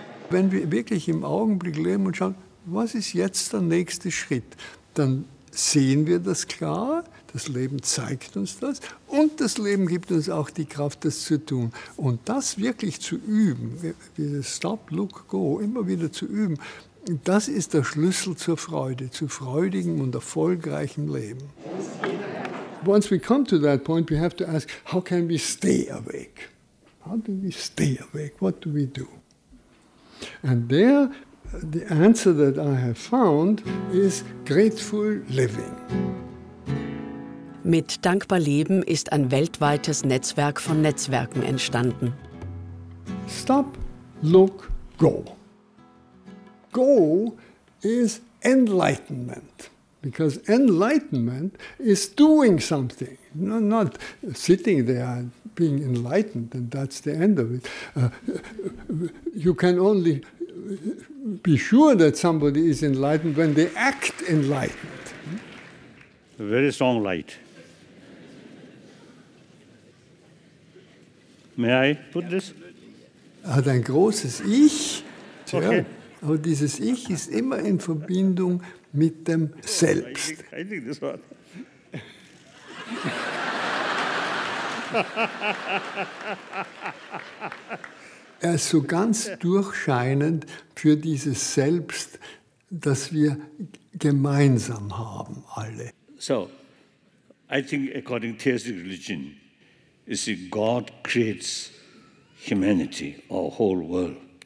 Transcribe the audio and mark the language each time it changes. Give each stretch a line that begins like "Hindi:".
German: Wenn wir wirklich im Augenblick leben und schauen, was ist jetzt der nächste Schritt, dann sehen wir das klar, das Leben zeigt uns das und das Leben gibt uns auch die Kraft, das zu tun. Und das wirklich zu üben, dieses Stop, Look, Go, immer wieder zu üben, das ist der Schlüssel zur Freude, zu freudigem und erfolgreichem Leben.
English: Once we come to that point, we have to ask, how can we stay awake? How do we stay awake? What do we do? And there, the answer that I have found is grateful living.
German: Mit Dankbar Leben ist ein weltweites Netzwerk von Netzwerken entstanden.
English: Stop, look, go. Go is enlightenment. Because enlightenment is doing something, not sitting there being enlightened, and that's the end of it. You can only be sure that somebody is enlightened when they act enlightened. A very strong light. May I put this?
German: Hat ein großes Ich. Okay. Ja. Aber dieses Ich ist immer in Verbindung mit dem Selbst. Er ist so ganz durchscheinend für dieses Selbst, das wir gemeinsam haben, alle.
English: So, I think according to theistic religion, is that God creates humanity or whole world.